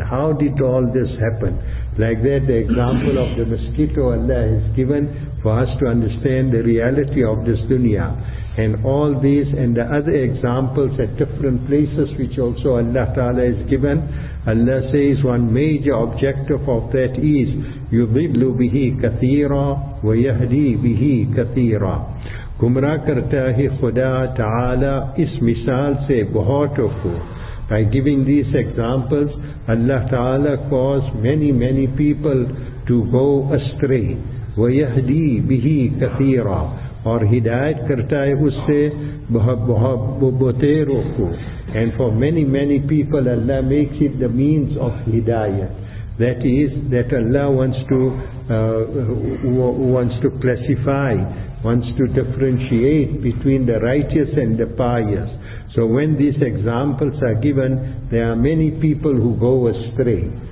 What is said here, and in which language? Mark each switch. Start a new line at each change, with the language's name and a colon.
English: How did all this happen? Like that, the example of the mosquito Allah has given for us to understand the reality of this dunya. And all these and the other examples at different places which also Allah Ta'ala has given, Allah says one major objective of that is
Arabic: يُضِلُّ بِهِ كَثِيرًا وَيَهْدِي بِهِ كَثِيرًا.
Urdu: گمراہ کرتا ہے خدا تعالی اس مثال سے بہتوں کو.
English: By giving these examples, Allah Ta'ala caused many people to go astray.
Arabic: وَيَهْدِي بِهِ كَثِيرًا,
Urdu: اور ہدایت کرتا ہے اس سے بہتوں کو.
English: And for many people, Allah makes it the means of hidayah. That is, that Allah wants to classify, wants to differentiate between the righteous and the pious. So when these examples are given, there are many people who go astray.